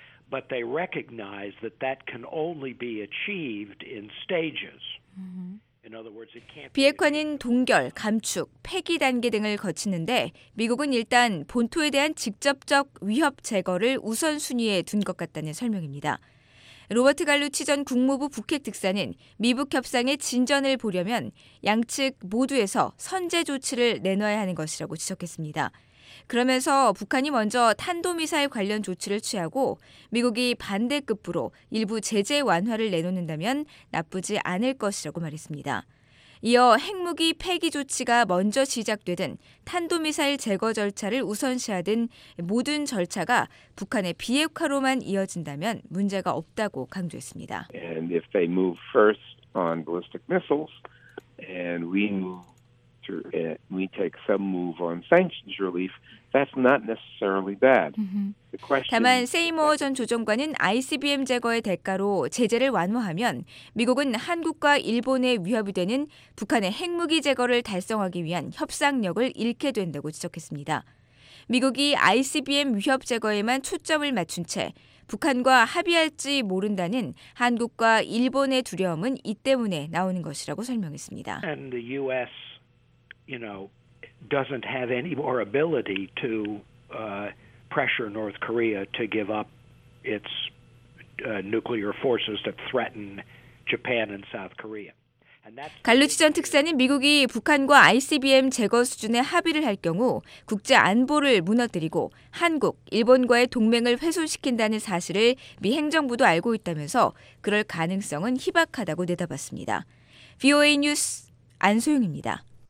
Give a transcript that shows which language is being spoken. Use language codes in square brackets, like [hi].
[en] But they recognize that that can only be achieved in stages. [ko] 비핵화는 동결, 감축, 폐기 단계 등을 거치는데 미국은 일단 본토에 대한 직접적 위협 제거를 우선순위에 둔 것 같다는 설명입니다. 로버트 갈루치 전 국무부 북핵 특사는 미북 협상의 진전을 보려면 양측 모두에서 선제 조치를 내놔야 하는 것이라고 지적했습니다. 그러면서 북한이 먼저 탄도미사일 관련 조치를 취하고 미국이 반대급부로 일부 제재 완화를 내놓는다면 나쁘지 않을 것이라고 말했습니다. 이어 핵무기 폐기 조치가 먼저 시작되든 탄도미사일 제거 절차를 우선시하든 모든 절차가 북한의 비핵화로만 이어진다면 문제가 없다고 강조했습니다. [en] And if they move first on ballistic missiles and we move we take some move on sanctions relief, that's not necessarily bad. [ko] 다만 세이머 전 조정관은 ICBM 제거의 대가로 제재를 완화하면 미국은 한국과 일본의 위협이 되는 북한의 핵무기 제거를 달성하기 위한 협상력을 잃게 된다고 지적했습니다. 미국이 ICBM 위협 제거에만 초점을 맞춘 채 북한과 합의할지 모른다는 한국과 일본의 두려움은 이 때문에 나오는 것이라고 설명했습니다. [en] And the U.S. You know, doesn't have any more ability to pressure North Korea to give up its nuclear forces that threaten Japan and South Korea. [ko] 갈루치 전 특사는 미국이 북한과 ICBM 제거 수준의 합의를 할 경우 국제 안보를 무너뜨리고 한국, 일본과의 동맹을 훼손시킨다는 사실을 미 행정부도 알고 있다면서 그럴 가능성은 희박하다고 내다봤습니다. VOA 뉴스 안소영입니다.